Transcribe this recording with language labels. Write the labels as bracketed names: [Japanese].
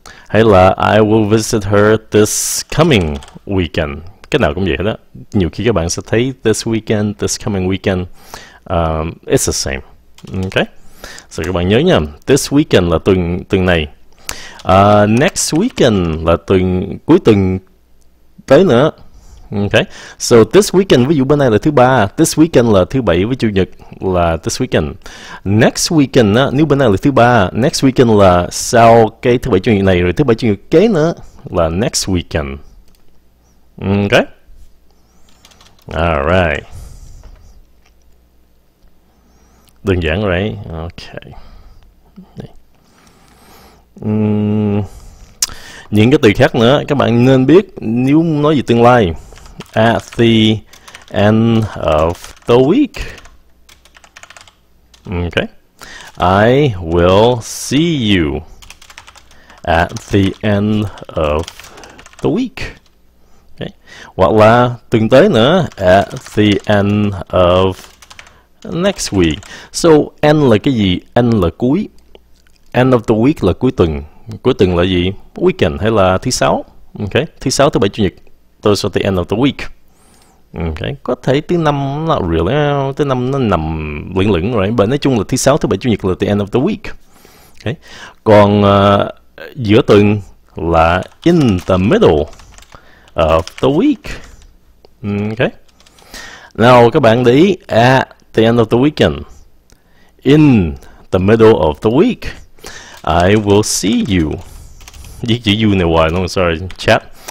[Vietnamese] Hay là [English] I will visit her this coming weekend. [Vietnamese] Cái nào cũng vậy hết á. Nhiều khi các bạn sẽ thấy [English] this weekend, this coming weekend. It's the same. [Vietnamese] Okay. So các bạn nhớ nha. This weekend là tuần tuần này. Next weekend là tuần cuối tuần tới nữa. Okay, so this weekend ví dụ bên này là thứ ba, this weekend là thứ bảy với chủ nhật là this weekend. Next weekend á, nếu bên này là thứ ba, next weekend là sau cái thứ bảy chủ nhật này rồi thứ bảy chủ nhật kế nữa là next weekend. Okay, alright, đơn giản rồi. Okay. Những cái từ khác nữa các bạn nên biết nếu nói về tương lai. [English] At the end of the week. Okay. I will see you at the end of the week. Okay. [Vietnamese] Hoặc là tuần tới nữa, [English] at the end of next week. [Vietnamese] So, end là cái gì? End là cuối. [English] End of the week [Vietnamese] là cuối tuần. Cuối tuần là gì? Weekend hay là thứ sáu. Okay. Thứ sáu, thứ bảy, chủ nhật. [English] Those are the end of the week. Okay. [Vietnamese] Có thể thứ năm, [English] not really. [Vietnamese] Thứ năm nó nằm lửng lửng, right? But nói chung là thứ sáu, thứ bảy, chủ nhật là [English] the end of the week. [Vietnamese] Okay. Còn giữa tuần là [English] in the middle of the week. Okay. Now, [Vietnamese] các bạn để ý, [English] at the end of the weekend, in the middle of the week, I will see you. [Vietnamese] Dịch chữ you này hoài, [English] no, sorry, chat.